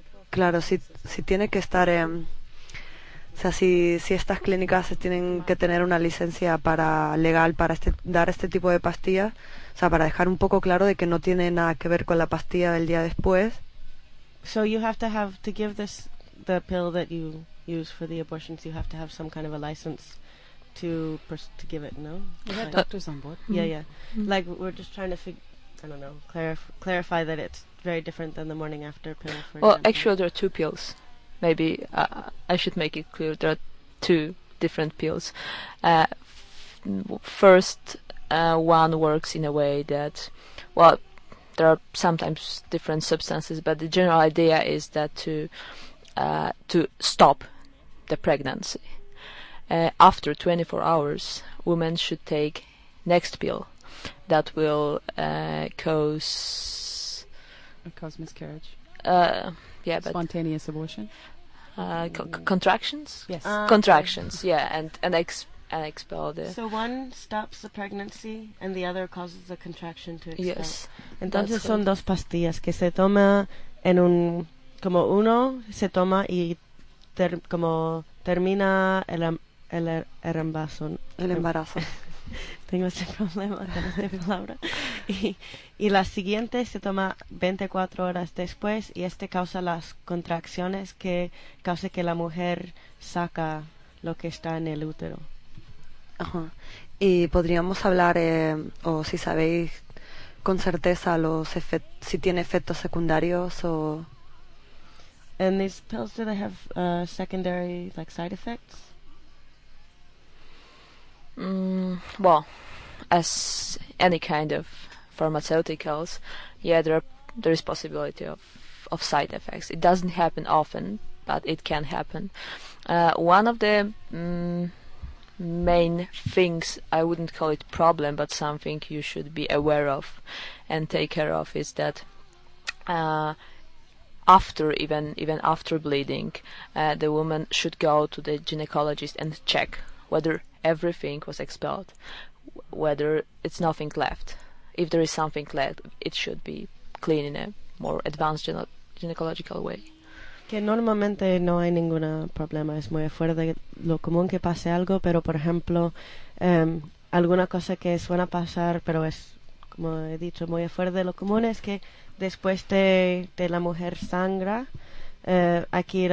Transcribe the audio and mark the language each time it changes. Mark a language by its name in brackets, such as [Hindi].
[Spanish] Claro, si tiene que estar en... O sea, si estas clínicas tienen que tener una licencia legal para dar este tipo de pastillas, o sea, para dejar un poco claro de que no tiene nada que ver con la pastilla del día después... [English] So you have to have to give this the pill that you use for the abortions. You have to have some kind of a license to give it. No, we have doctors on board. Mm-hmm. Yeah, yeah. Mm-hmm. Like we're just trying to clarify that it's very different than the morning after pill. Actually, there are two pills. Maybe I should make it clear there are two different pills. First, one works in a way that, well. There are sometimes different substances, but the general idea is that to stop the pregnancy. After 24 hours, women should take next pill that will cause miscarriage. Spontaneous abortion. Contractions. Yes. Contractions. Okay. Yeah, and expel the... So one stops the pregnancy and the other causes the contraction to expel. Yes. [Spanish] Entonces son dos pastillas que se toma como uno se toma y como termina el embarazo. El embarazo. Tengo ese problema con esta palabra. Y la siguiente se toma 24 horas después y este causa las contracciones que causa que la mujer saca lo que está en el útero. Ajá. Y podríamos hablar, o si sabéis con certeza, los si tiene efectos secundarios o... [English] And these pills, do they have secondary like side effects? Well, as any kind of pharmaceuticals, yeah, there is possibility of side effects. It doesn't happen often, but it can happen. One of the main things, I wouldn't call it problem, but something you should be aware of and take care of, is that even after bleeding, the woman should go to the gynecologist and check whether everything was expelled, whether it's nothing left. If there is something left, it should be clean in a more advanced gynecological way. [Spanish] Que normalmente no hay ningún problema, es muy fuera de lo común que pase algo, pero por ejemplo, alguna cosa que suena pasar, pero es, como he dicho, muy fuera de lo común, es que después de la mujer sangra, hay que ir